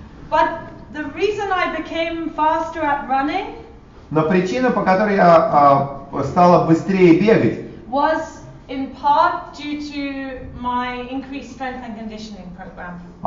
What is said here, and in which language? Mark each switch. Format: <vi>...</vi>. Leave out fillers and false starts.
<en>But the reason I became faster at running.</en> <ru>Но причина, по которой я стала быстрее бегать.</ru> <en>Was in part due to my increased strength and conditioning program.</en>